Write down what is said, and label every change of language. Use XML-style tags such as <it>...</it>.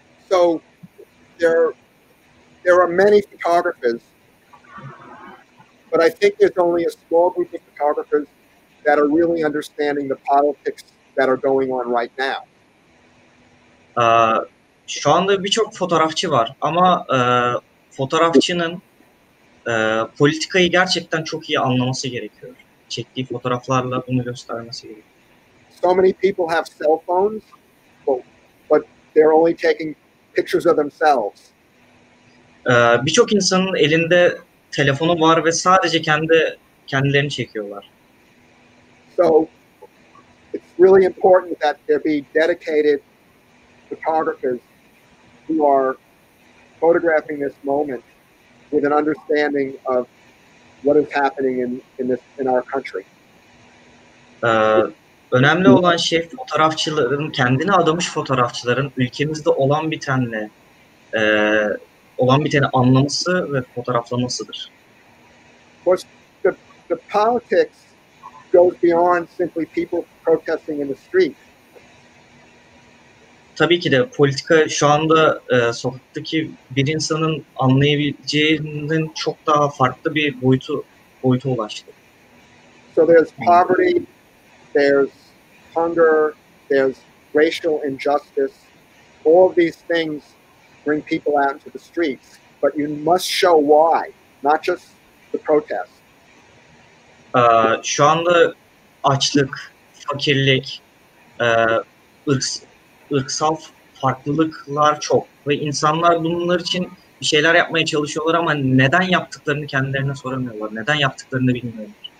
<en>So there are many photographers, but I think there's only a small group of photographers that are really understanding the politics that are going on right now.</en> <tr>Şu anda birçok fotoğrafçı var ama fotoğrafçının politikayı gerçekten çok iyi anlaması gerekiyor. Çektiği fotoğraflarla bunu göstermesi gerekiyor.</tr> <en>So many people have cell phones, but they're only taking pictures of themselves.</en> <tr>Birçok insanın elinde telefonu var ve sadece kendilerini çekiyorlar.</tr> <en>So it's really important that there be dedicated photographers who are photographing this moment with an understanding of what is happening in our country.</en> <tr>Önemli olan şey fotoğrafçıların, kendini adamış fotoğrafçıların ülkemizde olan bitenle olan biteni anlaması ve fotoğraflamasıdır.</tr> <en>Of course, the politics goes beyond simply people protesting in the street.</en> <tr>tabii ki de politika şu anda sokaktaki bir insanın anlayabileceğinin çok daha farklı bir boyuta ulaştı.</tr> <en>So there's poverty, there's hunger, there's racial injustice. All of these things bring people out into the streets, but you must show why, not just the protest.</en> <tr>Şu anda açlık, fakirlik, ırksal farklılıklar çok ve insanlar bunlar için bir şeyler yapmaya çalışıyorlar ama neden yaptıklarını kendilerine soramıyorlar, neden yaptıklarını bilmiyorlar.</tr>